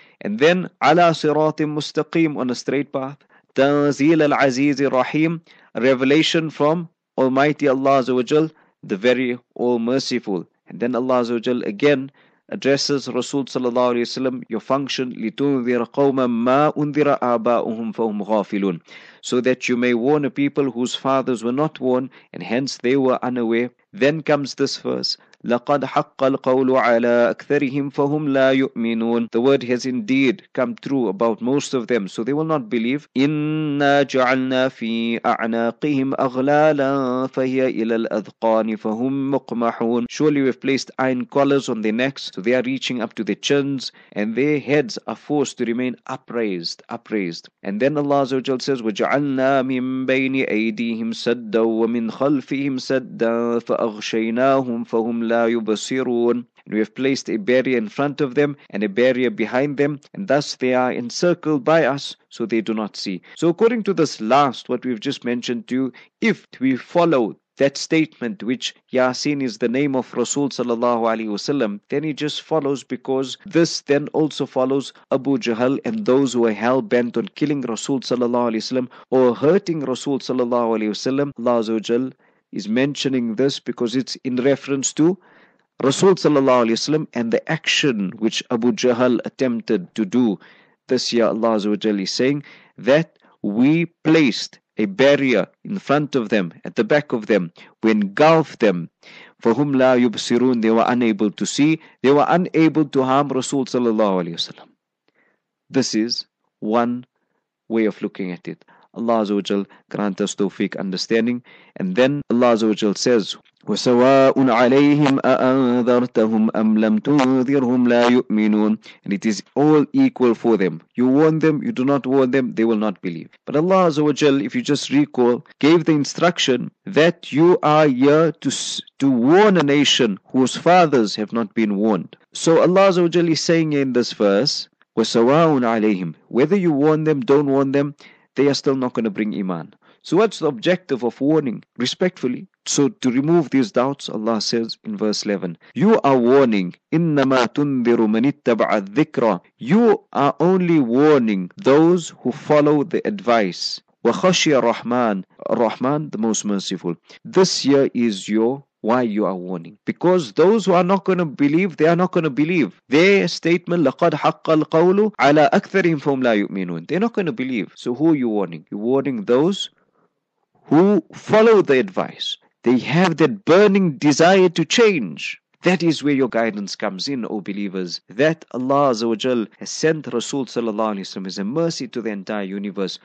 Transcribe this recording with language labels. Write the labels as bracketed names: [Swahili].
[English] And then, [Arabic] ala siratim mustaqim, [English] on a straight path, [Arabic] tanzeel al aziz rahim, [English] revelation from Almighty Allah Azawajal, the very all-merciful. And then Allah Azawajal again addresses Rasul sallallahu alayhi wasallam, your function, [Arabic] litunzir qawman ma undhira aba'uhum fahum ghafilun, [English] so that you may warn a people whose fathers were not warned, and hence they were unaware. Then comes this verse, [Arabic] لَقَدْ حَقَّ الْقَوْلُ عَلَىٰ أَكْثَرِهِمْ فَهُمْ لَا يُؤْمِنُونَ. [English] The word has indeed come true about most of them, so they will not believe. [Arabic] إِنَّا جَعَلْنَا فِي أَعْنَاقِهِمْ أَغْلَالًا فَهِيَ إِلَى الْأَذْقَانِ فَهُمْ مُقْمَحُونَ. [English] Surely we've placed iron collars on their necks, so they are reaching up to their chins, and their heads are forced to remain upraised. And then Allah Azza wa Jalla says, [Arabic] وَجَعَلْنَا مِن بَيْنِ أَيْدِيهِمْ سَدًّا وَمِنْ خَلْفِهِمْ سَدًّا فَأَغْشَيْنَاهُمْ فَهُمْ لَا يُبَصِرُونَ. [English] And we have placed a barrier in front of them and a barrier behind them, and thus they are encircled by us, so they do not see. So according to this last, what we've just mentioned to you, if we follow that statement which Yasin is the name of Rasul sallallahu alayhi wasallam, then it just follows, because this then also follows Abu Jahl and those who are hell bent on killing Rasul sallallahu alayhi wasallam or hurting Rasul sallallahu alayhi wasallam. Allah Azza wa Jal is mentioning this because it's in reference to Rasul sallallahu alayhi wasallam and the action which Abu Jahl attempted to do. This year Allah Azza wa Jal is saying that we placed a barrier in front of them, at the back of them, we engulfed them. For whom [Arabic] la yubsirun, [English] they were unable to see, they were unable to harm Rasul sallallahu alayhi wasallam. This is one way of looking at it. Allah Azza wa Jal grant us tawfiq, understanding. And then Allah Azza wa Jal says, [Arabic] وَسَوَاءٌ عَلَيْهِمْ أَأَنذَرْتَهُمْ أَمْ لَمْ تُنذِرْهُمْ لَا يُؤْمِنُونَ. [English] And it is all equal for them. You warn them, you do not warn them, they will not believe. But Allah Azza wa Jal, if you just recall, gave the instruction that you are here to warn a nation whose fathers have not been warned. So Allah Azza wa Jal is saying in this verse, [Arabic] وَسَوَاءٌ عَلَيْهِمْ, [English] whether you warn them, don't warn them, they are still not going to bring iman. So what's the objective of warning? Respectfully, so to remove these doubts, Allah says in verse 11, you are warning, [Arabic] إِنَّمَا تُنذِرُ مَنِ اتَّبَعَ الذِّكْرَ. [English] You are only warning those who follow the advice. وَخَشِيَ Rahman, the most merciful. This year is your, why you are warning. Because those who are not going to believe, they are not going to believe. Their statement, [Arabic] لَقَدْ حَقَّ الْقَوْلُ عَلَىٰ أَكْثَرِهِمْ فَهُمْ لَا يُؤْمِنُونَ. [English] They're not going to believe. So who are you warning? You're warning those who follow the advice. They have that burning desire to change. That is where your guidance comes in, O believers, that Allah Azza wa Jal has sent Rasul sallallahu alayhi wa sallam as a mercy to the entire universe.